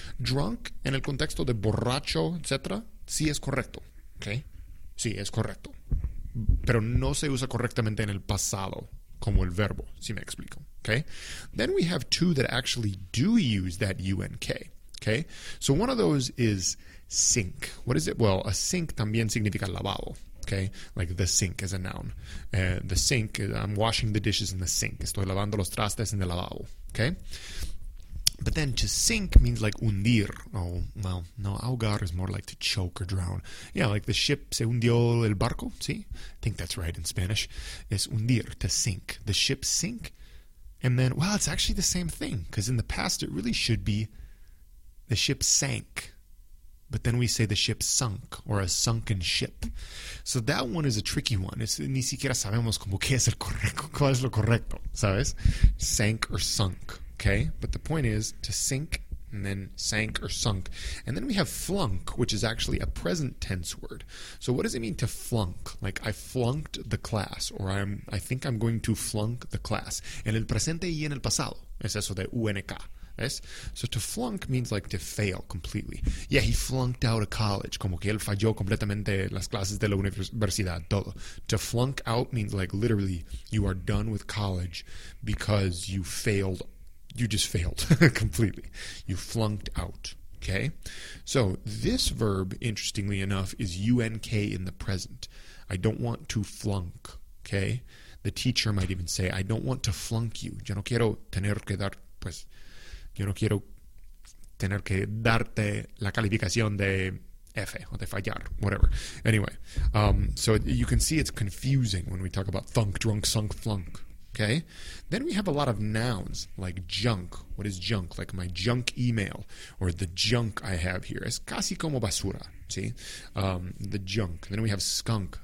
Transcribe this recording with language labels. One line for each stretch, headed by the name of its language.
Spanish: Drunk, en el contexto de borracho, etc., sí es correcto, okay? Sí, es correcto. Pero no se usa correctamente en el pasado, como el verbo, si me explico, okay?
English: Then we have two that actually do use that U-N-K. Okay, so one of those is sink. What is it? Well, a sink
Spanish: también significa lavabo.
English: Okay, like the sink is a noun. The sink, I'm washing the dishes in the sink.
Spanish: Estoy lavando los trastes en el lavabo.
English: Okay, but then to sink means like hundir. Oh, well, no, ahogar is more like to choke or drown. Yeah, like the ship
Spanish: se hundió el barco.
English: Sí, I think that's right in Spanish.
Spanish: Es hundir,
English: to sink. The ship sink. And then, well, it's actually the same thing because in the past it really should be the ship sank, but then we say the ship sunk or a sunken ship. So that one is a tricky one.
Spanish: Es, ni siquiera sabemos como qué es el correcto, cuál es lo correcto, ¿sabes?
English: Sank or sunk, okay? But the point is to sink and then sank or sunk. And then we have flunk, which is actually a present tense word. So what does it mean to flunk? Like I flunked the class or I think I'm going to flunk the class.
Spanish: En el presente y en el pasado. Es eso de UNK.
English: Yes. So to flunk means like to fail completely. Yeah, he flunked out of college.
Spanish: Como que él falló completamente las clases de la universidad. Todo.
English: To flunk out means like literally you are done with college because you failed. You just failed completely. You flunked out. Okay? So this verb, interestingly enough, is UNK in the present. I don't want to flunk. Okay? The teacher might even say, I don't want to flunk you.
Spanish: Yo no quiero tener que dar, pues... Yo no quiero tener que darte la calificación de F o de fallar, whatever.
English: Anyway, so you can see it's confusing when we talk about thunk, drunk, sunk, flunk, okay? Then we have a lot of nouns like junk. What is junk? Like my junk email or the junk I have here.
Spanish: Es casi como basura, ¿sí?
English: The junk. Then we have skunk.